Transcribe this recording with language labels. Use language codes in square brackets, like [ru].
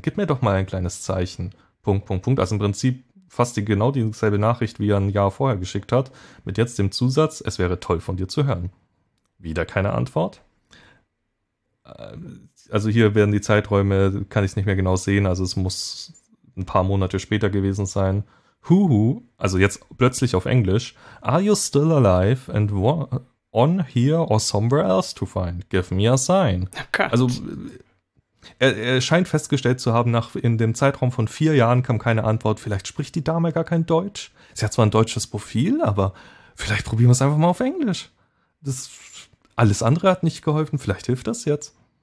[de] Gib mir doch mal ein kleines Zeichen. Punkt, Punkt, Punkt. Also im Prinzip fast genau dieselbe Nachricht, wie er 1 Jahr vorher geschickt hat, mit jetzt dem Zusatz, es wäre toll von dir zu hören. Wieder keine Antwort. Also hier werden die Zeiträume, kann ich es nicht mehr genau sehen, also es muss ein paar Monate später gewesen sein. Huhu, also jetzt plötzlich auf Englisch. [en] Are you still alive and wa on here or somewhere else to find? Give me a sign. [de] Gott. Also er scheint festgestellt zu haben, in dem Zeitraum von 4 Jahren kam keine Antwort. Vielleicht spricht die Dame gar kein Deutsch. Sie hat zwar ein deutsches Profil, aber vielleicht probieren wir es einfach mal auf Englisch. Alles andere hat nicht geholfen. Vielleicht hilft das jetzt.